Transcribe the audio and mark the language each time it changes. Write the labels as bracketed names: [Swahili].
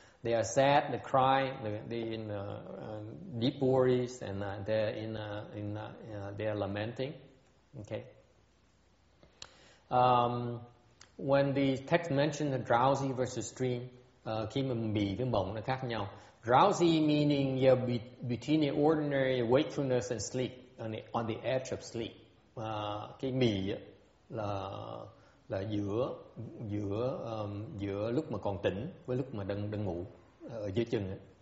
[English] They are sad, they cry, they're in deep worries and they're they're lamenting. Okay. When the text mentioned the drowsy versus dream, [Vietnamese] khi mà mị với mộng nó khác nhau. [English] Drowsy meaning between the ordinary wakefulness and sleep, on the edge of sleep. [Vietnamese] Cái mị là giữa lúc mà còn tỉnh với lúc mà đang ngủ ở dưới chân.